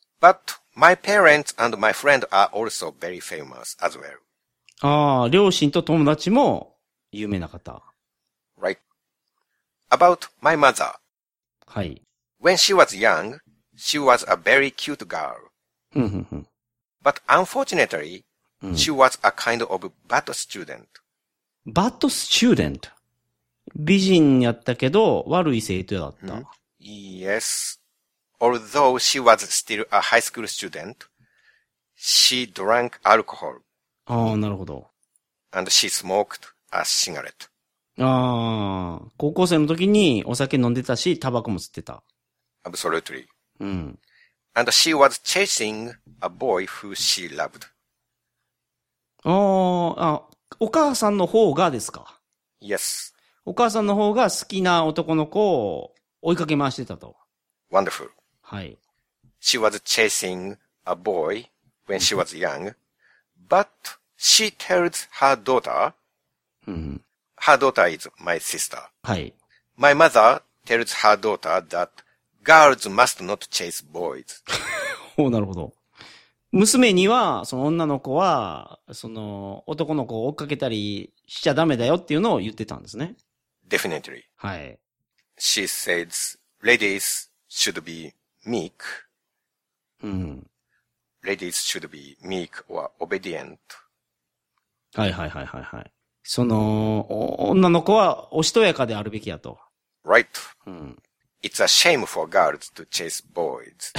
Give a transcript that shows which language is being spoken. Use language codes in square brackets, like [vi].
[en] But my parents and my friend are also very famous as well. [ja] ああ、両親と友達も有名な方。 [en] Right. About my mother. [ja] はい。 [en] When she was young, she was a very cute girl. But unfortunately, she was a kind of bad student. Bad student? [ja] 美人やったけど悪い生徒だった。 [en] Yes. Although she was still a high school student, she drank alcohol. [ja] ああ、なるほど。 [en] And she smoked a cigarette. [ja] ああ、高校生の時にお酒飲んでたし、タバコも吸ってた。 [en] Absolutely. [ja] うん。 [en] And she was chasing a boy who she loved. [ja] ああ、お母さんの方がですか？ [en] Yes. [ja] お母さんの方が好きな男の子を追いかけ回してたと。 [en] Wonderful. [ja] はい。 [en] She was chasing a boy when she was young, but she tells her daughter, Her daughter is my sister. [ja] はい。 [en] My mother tells her daughter that girls must not chase boys. [ja] ほう、なるほど。娘には、その女の子は、その男の子を追っかけたりしちゃダメだよっていうのを言ってたんですね。 [en] Definitely. [ja] はい。 [en] She says, ladies should be meek. [ja] うん。 [en] Ladies should be meek or obedient. [ja] はいはいはいはいはい。その女の子はおしとやかであるべきやと。 [en] Right.、 [ja] うん、 [en] It's a shame for girls to chase boys.